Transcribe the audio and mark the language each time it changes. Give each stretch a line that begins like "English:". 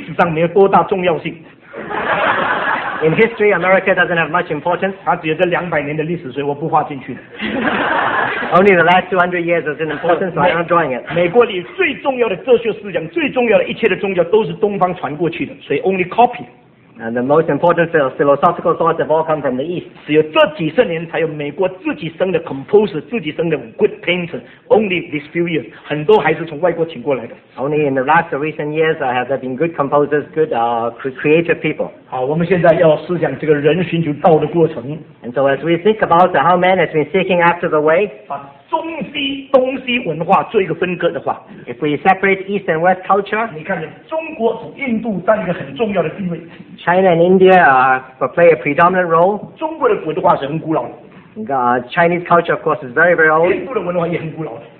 Chinese: 美国在历史上没有多大重要性，In
English: history America doesn't have much importance，
Chinese: 它只有这200年的历史，所以我不画进去的。
English: Only the last 200 years is in importance, so I'm not drawing it.
Chinese: 美国里最重要的哲学思想，最重要的一切的宗教，都是东方传过去的，
English: so only copy. And the most important philosophical thoughts have all come from the East.
Chinese: 只有这几十年才有美国自己生的 composer, 自己生的
English: good painter. Only these few years,
Chinese: 很多还是从外国请过来的。
English: Only in the last recent years have there been good composers, good creative people.
Chinese: 好，我们现在要思想这个人寻求道的过程。
English: And so as we think about how man has been seeking after the way,
Chinese: 把中西文化做一个分割的话，
English: if we separate East and West culture,
Chinese: 你看见中国从印度占一个很重要的地位，
English: China and India play a predominant role.
Chinese: 中国的古文化是很古老的。
English: Chinese culture, of course, is very, very old.
Chinese: 印度的文化也很古老的。